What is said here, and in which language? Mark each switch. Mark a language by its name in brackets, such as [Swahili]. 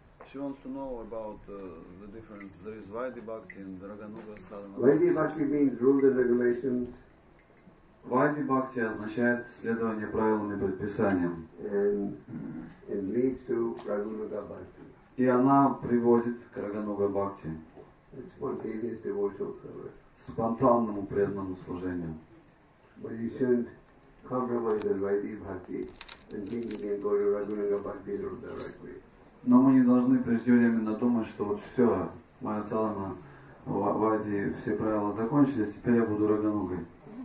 [English] She wants to know about the difference. There is Vaidhi Bhakti and Raganuga Sadhana. Vaidhi Bhakti means rules and regulations. [Russian] Vaidhi Bhakti означает следование правилам и предписаниям. [English] And it leads to Raganuga Bhakti. [Russian] И она приводит к Raganuga Bhakti. [English] It's spontaneous devotional service. [Russian] Спонтанному преданному служению. [English] But you shouldn't compromise the Vaidhi Bhakti and think you can go to Raghunanga Bhakti directly. [Russian] Но мы не должны преждевременно думать, что вот все, моя садхана, Вайди, все правила закончились, теперь я буду Рагануга.